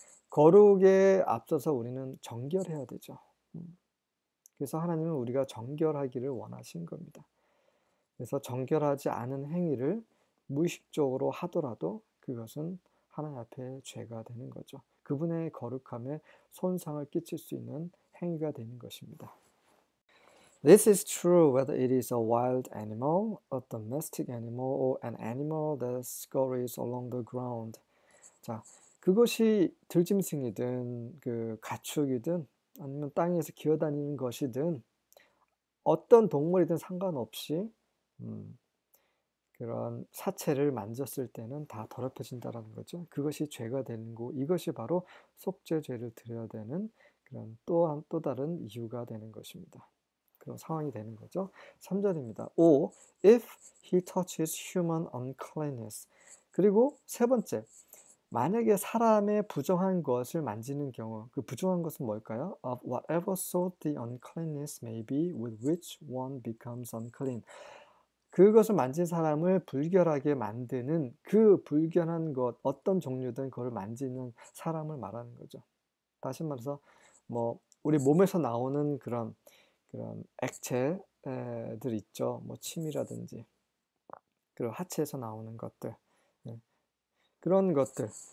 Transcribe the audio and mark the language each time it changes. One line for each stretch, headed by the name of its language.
Korean: 거룩에 앞서서 우리는 정결해야 되죠. 그래서 하나님은 우리가 정결하기를 원하신 겁니다. 그래서 정결하지 않은 행위를 무의식적으로 하더라도 그것은 하나님 앞에 죄가 되는 거죠. 그분의 거룩함에 손상을 끼칠 수 있는 행위가 되는 것입니다.
English: This is true whether it is a wild animal, a domestic animal, or an animal that scurries along the ground.
Korean: 자, 그것이 들짐승이든 그 가축이든 아니면 땅에서 기어다니는 것이든 어떤 동물이든 상관없이 그런 사체를 만졌을 때는 다 더럽혀진다라는 거죠. 그것이 죄가 되는 거고 이것이 바로 속죄죄를 드려야 되는 그런 또 다른 이유가 되는 것입니다. 그런 상황이 되는 거죠. 3절입니다.
English: O, if he touches human uncleanness.
Korean: 그리고 세 번째, 만약에 사람의 부정한 것을 만지는 경우, 그 부정한 것은 뭘까요?
English: Of whatever sort the uncleanness may be, with which one becomes unclean.
Korean: 그것을 만진 사람을 불결하게 만드는 그 불결한 것, 어떤 종류든 그걸 만지는 사람을 말하는 거죠. 다시 말해서, 뭐 우리 몸에서 나오는 그런 액체들 있죠. 뭐 침이라든지 그리고 하체에서 나오는 것들. 그런 것들.